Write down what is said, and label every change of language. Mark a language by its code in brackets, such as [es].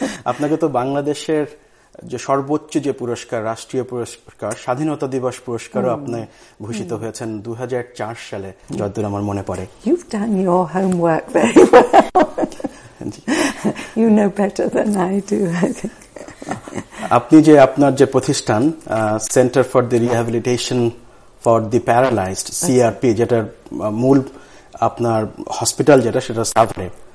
[bn] আপনাকে তো বাংলাদেশের যে সর্বোচ্চ যে পুরস্কার, রাষ্ট্রীয় পুরস্কার, স্বাধীনতা দিবস পুরস্কারও আপনি ভূষিত হয়েছেন 2004 সালে, যতদূর আমার মনে পড়ে। [en] You've done your homework very well. You know better than I do, I think. [bn] আপনি যে আপনার যে প্রতিষ্ঠান centre for the rehabilitation for the paralysed, CRP, যেটার মূল আপনার হসপিটাল যেটা, সেটা সাভারে।